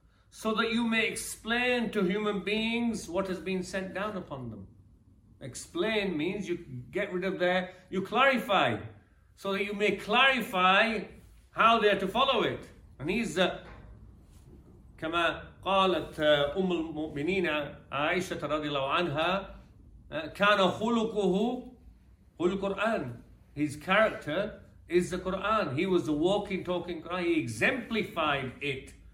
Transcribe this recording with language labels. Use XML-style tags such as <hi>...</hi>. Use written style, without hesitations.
<en>So that you may explain to human beings what has been sent down upon them. Explain means you get rid of their, you clarify. So that you may clarify how they are to follow it. And he's</en> <ar>كما قالت أم المؤمنين عائشة رضي الله عنها كان خلقه هو القرآن.</ar> <en>His character is the Quran. He was the walking, talking Quran. He exemplified it.</en>